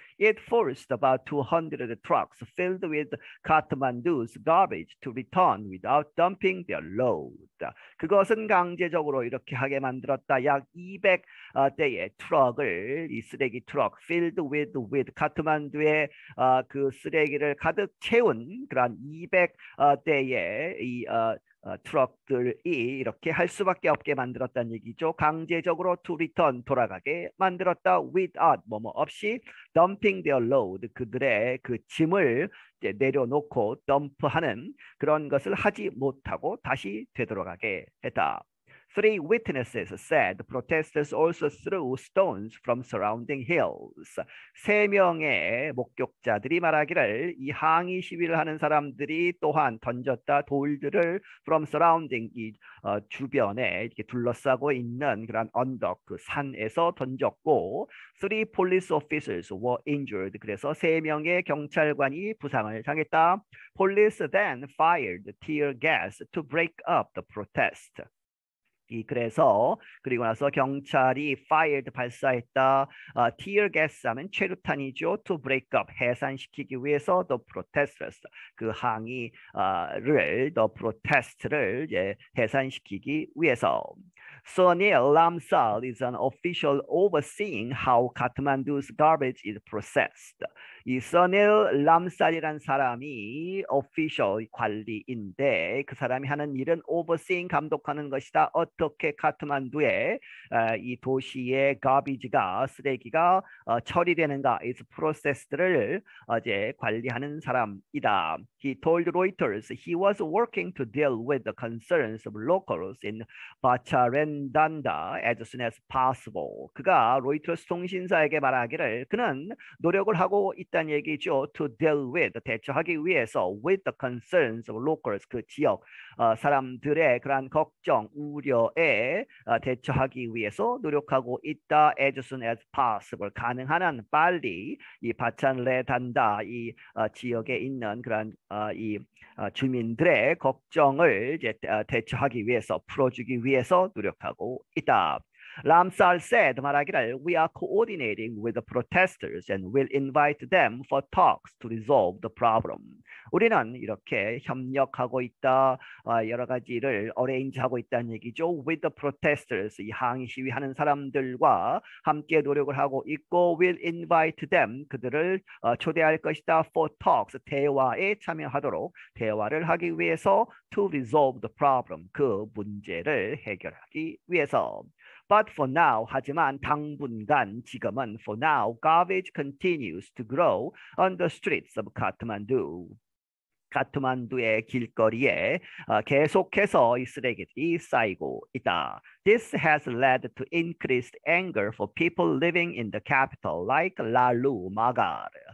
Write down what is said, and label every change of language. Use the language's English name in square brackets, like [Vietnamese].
[English] It forced about 200 trucks filled with Kathmandu's garbage to return without dumping their load. [Korean] 그것은 강제적으로 이렇게 하게 만들었다. 약 200대의 트럭을 이 쓰레기 트럭 filled with 카트만두의 그 쓰레기를 가득 채운 그런 200대의 이 트럭들이 이렇게 할 수밖에 없게 만들었다는 얘기죠. 강제적으로 to return 돌아가게 만들었다. Without 뭐뭐 없이 dumping their load 그들의 그 짐을 이제 내려놓고 dump하는 그런 것을 하지 못하고 다시 되돌아가게 했다. [English] Three witnesses said protesters also threw stones from surrounding hills. [Korean] 세 명의 목격자들이 말하기를 이 항의 시위를 하는 사람들이 또한 던졌다 돌들을 from surrounding 이 주변에 이렇게 둘러싸고 있는 그런 언덕 그 산에서 던졌고 three police officers were injured. 그래서 세 명의 경찰관이 부상을 당했다. [English] Police then fired tear gas to break up the protest. [Korean] 그래서 그리고 나서 경찰이 fired 발사했다. Tear gas 하면 최루탄이죠. To break up 해산시키기 위해서 the protesters 그 항의를 the protest 를 이제 해산시키기 위해서. [English] Sunil Lamsal is an official overseeing how Kathmandu's garbage is processed. [Korean] 이 Sunil Lamsal이란 사람이 official 관리인데 그 사람이 하는 일은 overseeing 감독하는 것이다. 어떻게 카트만두의 이 도시의 garbage 가 쓰레기가 처리되는가 is processed 를 이제 관리하는 사람이다. [English] He told Reuters he was working to deal with the concerns of locals in Bacharendanda as soon as possible. [Korean] 그가 로이터스 통신사에게 말하기를 그는 노력을 하고 있다는 얘기죠. To deal with, 대처하기 위해서 with the concerns of locals, 그 지역 사람들의 그런 걱정, 우려에 대처하기 위해서 노력하고 있다. As soon as possible, 가능한 한 빨리 이 바찬레단다 이 지역에 있는 그런 이 주민들의 걱정을 이제 대처하기 위해서 풀어주기 위해서 노력하고 있다. [English] Lamsal said 말하기를 We are coordinating with the protesters and will invite them for talks to resolve the problem. [Korean] 우리는 이렇게 협력하고 있다. 여러 가지를 어레인지하고 있다는 얘기죠. With the protesters 이 항의 시위하는 사람들과 함께 노력을 하고 있고 will invite them 그들을 초대할 것이다. [English] For talks 대화에 참여하도록 대화를 하기 위해서 to resolve the problem 그 문제를 해결하기 위해서 But for now, 하지만 당분간 지금은 for now, garbage continues to grow on the streets of Kathmandu. [Korean] 카트만두의 길거리에 계속해서 이 쓰레기들이 쌓이고 있다. [English] This has led to increased anger for people living in the capital, like Lalu Magar.